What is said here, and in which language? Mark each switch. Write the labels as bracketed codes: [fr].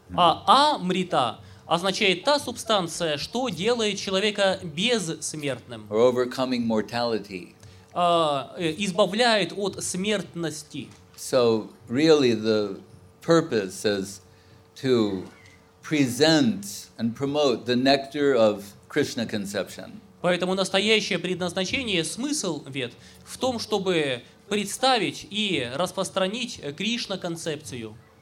[ru] Амрита означает та субстанция, что делает человека бессмертным. [en] Or overcoming mortality. [ru] Избавляет от смертности. [en] So really the purpose is to present and promote the nectar of Krishna conception. [ru] Поэтому настоящее предназначение, смысл Вед, в том, чтобы представить и распространить Кришна концепцию.